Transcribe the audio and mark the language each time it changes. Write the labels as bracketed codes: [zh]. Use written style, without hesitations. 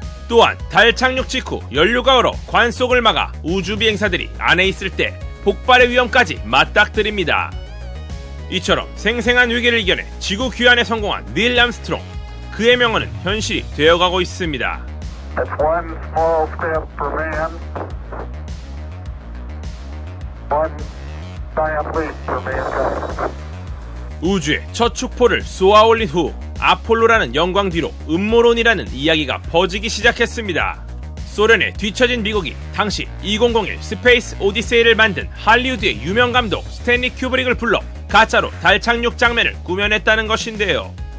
[ko] 또한 달 착륙 직후 연료가 얼어 관속을 막아 우주비행사들이 안에 있을 때 폭발의 위험까지 맞닥뜨립니다. 이처럼 생생한 위기를 이겨내 지구 귀환에 성공한 닐 암스트롱. 그의 명언은 현실이 되어가고 있습니다. [en] That's one small step for man, one giant leap for mankind. [ko] 우주에 첫 축포를 쏘아올린 후 아폴로라는 영광 뒤로 음모론이라는 이야기가 퍼지기 시작했습니다. 소련에 뒤처진 미국이 당시 2001 스페이스 오디세이를 만든 할리우드의 유명 감독 스탠리 큐브릭을 불러 가짜로 달 착륙 장면을 꾸며냈다는 것인데요.